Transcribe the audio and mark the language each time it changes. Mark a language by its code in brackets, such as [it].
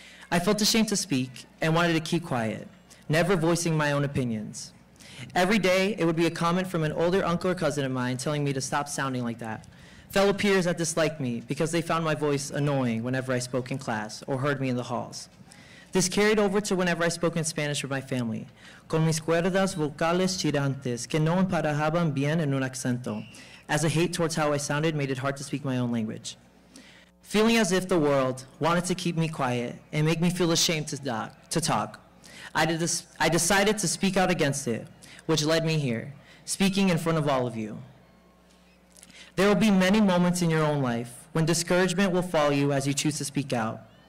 [en] I felt ashamed to speak and wanted to keep quiet, never voicing my own opinions. Every day, it would be a comment from an older uncle or cousin of mine telling me to stop sounding like that. Fellow peers that disliked me because they found my voice annoying whenever I spoke in class or heard me in the halls. This carried over to whenever I spoke in Spanish with my family. [es] Con mis cuerdas vocales tirantes que no emparejaban bien en un acento. [en] As a hate towards how I sounded made it hard to speak my own language. Feeling as if the world wanted to keep me quiet and make me feel ashamed to talk, I decided to speak out against it, which led me here, speaking in front of all of you. There will be many moments in your own life when discouragement will follow you as you choose to speak out.